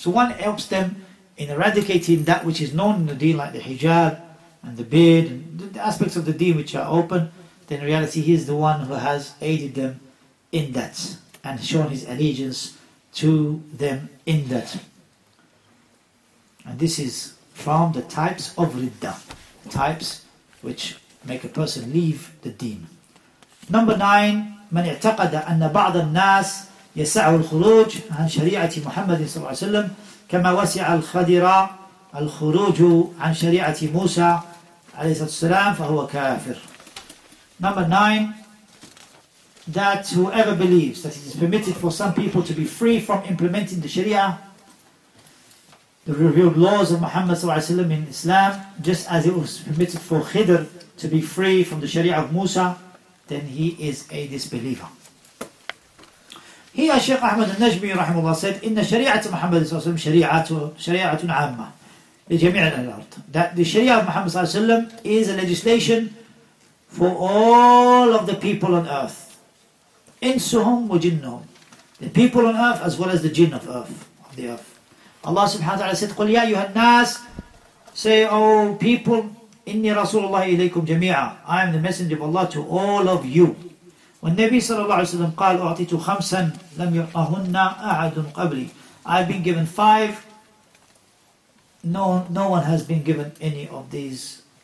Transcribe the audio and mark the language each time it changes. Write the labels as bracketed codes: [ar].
[en] So one helps them in eradicating that which is known in the deen, like the hijab and the beard, and the aspects of the deen which are open, then in reality he is the one who has aided them in that and shown his allegiance to them in that. And this is from the types of ridda, types which make a person leave the deen. [ar] Number 9, من اعتقد أن بعض الناس يسعى الخروج عن شريعة محمد صلى الله عليه وسلم كما وسع الخضراء الخروج عن شريعة موسى عليه الصلاة والسلام فهو كافر. [en] Number 9, that whoever believes that it is permitted for some people to be free from implementing the Sharia, the revealed laws of Muhammad [ar] صلى الله عليه وسلم [en] in Islam, just as it was permitted for Khidr to be free from the Sharia of Musa, then he is a disbeliever. Here, Shaykh Ahmad al-Najmi rahimahullah said, [ar] إِنَّ شَرِيعَةَ مُحَمَّدٍ صَلَّى اللَّهُ عَلَيْهِ وَسَلَّمْ شَرِيعَةٌ عَامَّةٌ لِجَمِيعَ الْأَرْضِ, [en] that the Sharia of Muhammad [ar] صلى الله عليه وسلم [en] is a legislation for all of the people on earth. [ar] إِنْسُهُمْ وَجِنُّهُمْ, [en] the people on earth as well as the jinn of earth, of the earth. Allah subhanahu wa ta'ala said, [ar] قُلْ يَا أَيُّهَا النَّاسِ, [en] say, oh people, [ar] إِنِّي رَسُولُ اللَّهِ إِلَيْكُمْ جَمِيعًا, [en] I am the messenger of Allah to all of you. [ar] والنبي صلى الله عليه وسلم قال أعطيت خمسا لم يعطهن أحد قبلي. [en] I've been given 5. No one has been given any of these.